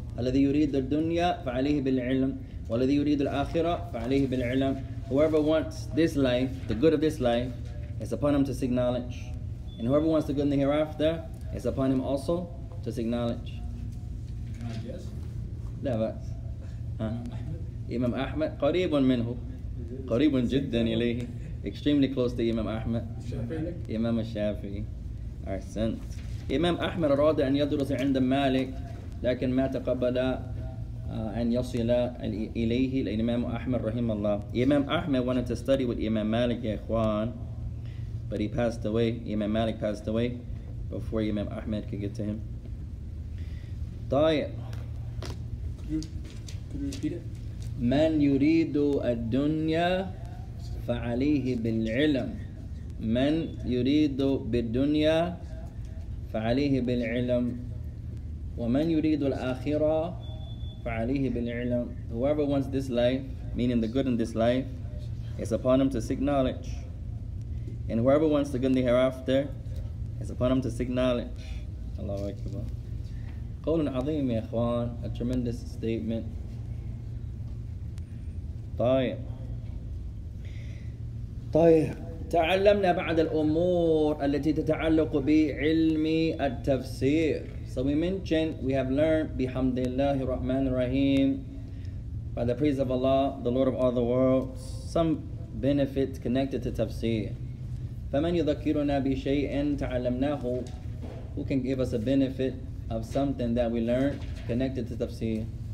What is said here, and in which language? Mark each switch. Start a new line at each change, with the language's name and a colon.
Arabic: الذي يريد الدنيا فعليه بالعلم والذي يريد الآخرة فعليه بالعلم.
English: Whoever wants this life, the good of this life, is upon him to seek knowledge. And whoever wants the good in the hereafter is upon him also to seek knowledge.
Arabic: لا بأس. إمام أحمد قريب منه. قريب جدا إليه.
English: Extremely close to
Arabic: إمام أحمد. إمام الشافعي. أحسنت. إمام أحمد أراد أن يدرس عند مالك لكن ما تقبل أن يصل إليه الإمام أحمد رحمه الله.
English: إمام أحمد wanted to study with إمام مالك
Arabic: يا إخوان,
English: but he passed away. إمام مالك passed away before إمام أحمد could get to him. طيب.
Arabic: من يريد الدنيا فعليه بالعلم. من يريد بالدنيا فعليه بالعلم ومن يريد الآخرة فعليه بالعلم.
English: Whoever wants this life, meaning the good in this life, is upon him to seek knowledge. And whoever wants the good in the hereafter, is upon him to seek knowledge. Allahu Akbar.
Arabic: قول عظيم يا إخوان,
English: a tremendous statement.
Arabic: طيب. طيب. تعلمنا بعض الأمور التي تتعلق بعلم التفسير.
English: So we mentioned, we have learned,
Arabic: بحمد الله الرحمن الرحيم,
English: by the praise of Allah, the Lord of all the worlds, some benefits connected to tafsir.
Arabic: فمن يذكرنا بشيء تعلمناه.
English: Who can give us a benefit of something that we learned connected to tafsir?